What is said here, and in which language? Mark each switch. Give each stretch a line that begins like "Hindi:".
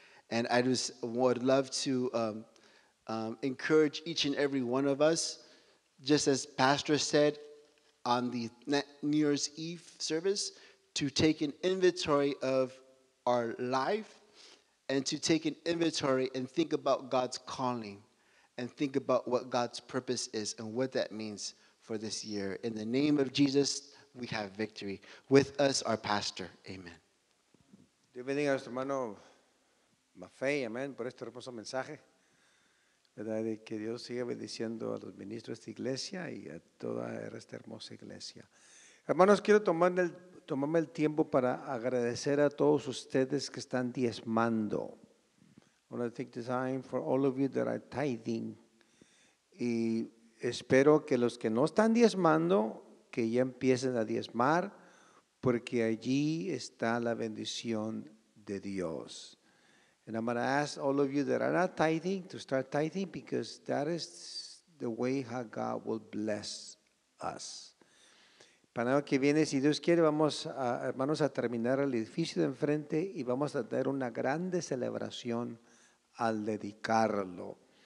English: And I just would love to encourage each and every one of us, just as Pastor said on the New Year's Eve service, to take an inventory of our life and to take an inventory and think about God's calling and think about what God's purpose is and what that means for this year. In the name of Jesus, we have victory. With us, our pastor. Amen.
Spanish: Dios bendiga a nuestro hermano Maffei, amén, por este hermoso mensaje. Verdad, que Dios siga bendiciendo a los ministros de esta iglesia y a toda esta hermosa iglesia. Hermanos, quiero tomarme el tiempo para agradecer a todos ustedes que están diezmando.
English: I want to take the time for all of you that are tithing.
Spanish: Y espero que los que no están diezmando, que ya empiecen a diezmar, porque allí está la bendición de Dios.
English: And I'm going to ask all of you that are not tithing to start tithing, because that is the way how God will bless us.
Spanish: Para lo que viene, si Dios quiere, vamos a, hermanos, a terminar el edificio de enfrente y vamos a dar una grande celebración al dedicarlo.